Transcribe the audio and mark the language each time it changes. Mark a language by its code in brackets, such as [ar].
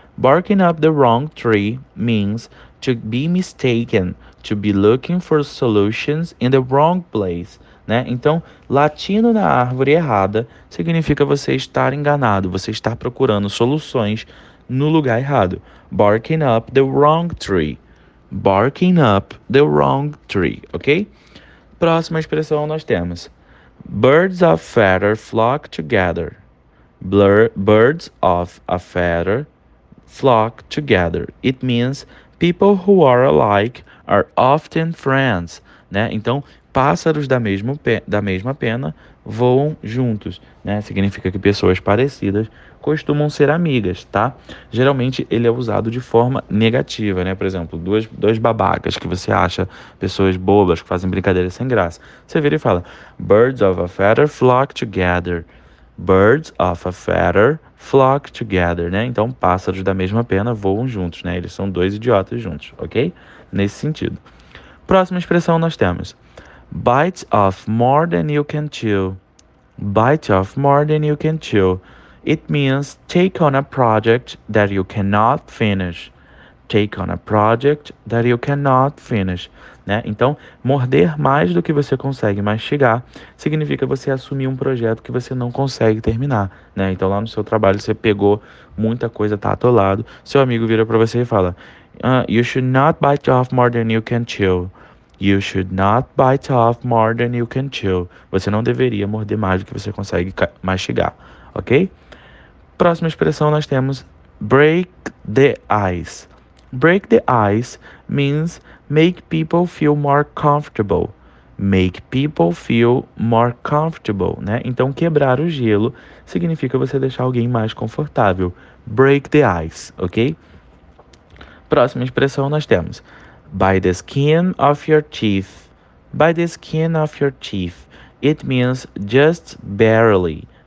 [en] Barking up the wrong tree means to be mistaken, to be looking for solutions in the wrong place, né? [pt] Então, latindo na árvore errada significa você estar enganado, você estar procurando soluções no lugar errado. [en] Barking up the wrong tree. Barking up the wrong tree, ok? [pt] Próxima expressão nós temos. [en] Birds of feather flock together. Birds of a feather flock together. It means people who are alike are often friends, né? [pt] Então, pássaros da mesma pena voam juntos, né? Significa que pessoas parecidas costumam ser amigas, tá? Geralmente ele é usado de forma negativa, né? Por exemplo, dois babacas que você acha pessoas bobas, que fazem brincadeiras sem graça. Você vira e fala: [en] Birds of a feather flock together. Birds of a feather flock together, né? [pt] Então, pássaros da mesma pena voam juntos, né? Eles são dois idiotas juntos, ok? Nesse sentido. Próxima expressão nós temos. [en] Bite off more than you can chew. Bite off more than you can chew. It means take on a project that you cannot finish. Take on a project that you cannot finish. [pt] né? Então, morder mais do que você consegue mastigar significa você assumir um projeto que você não consegue terminar, né? Então, lá no seu trabalho, você pegou muita coisa, tá atolado. Seu amigo vira para você e fala: [en] You should not bite off more than you can chew. You should not bite off more than you can chew. [pt] Você não deveria morder mais do que você consegue mastigar, ok? Próxima expressão nós temos [en] break the ice. Break the ice means make people feel more comfortable. Make people feel more comfortable, né? [pt] Então quebrar o gelo significa você deixar alguém mais confortável. [en] Break the ice, ok? [pt] Próxima expressão nós temos [en] by the skin of your teeth. By the skin of your teeth. It means just barely.